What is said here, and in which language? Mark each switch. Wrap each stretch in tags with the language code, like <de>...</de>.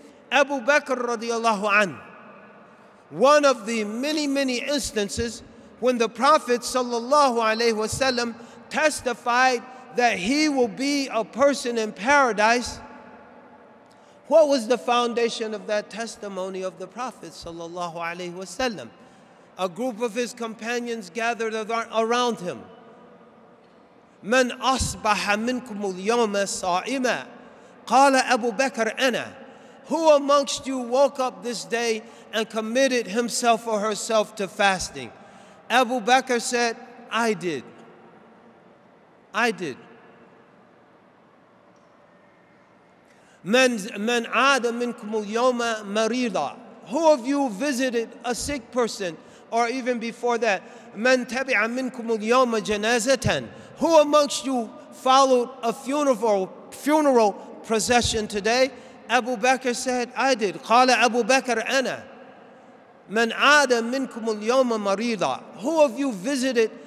<en>Abu Bakr radiallahu anhu, one of the many, many instances when the Prophet sallallahu alaihi wasallam testified that he will be a person in paradise. What was the foundation of that testimony of the Prophet sallallahu alaihi wasallam? A group of his companions gathered around him.</en> <ar>من أصبح منكم اليوم صائما قال أبو بكر أنا.</ar> <en>Who amongst you woke up this day and committed himself or herself to fasting? Abu Bakr said, I did.</en> <ar>من عاد منكم اليوم مريضا.</ar> <en>Who of you visited a sick person?</en> <ar>Or even before that, من تبع منكم اليوم جنازة.</ar> <en>Who amongst you followed a funeral procession today? Abu Bakr said, I did. قال أبو بكر أنا.</en> <ar>من عاد منكم اليوم مريضا. Who of you visited</ar>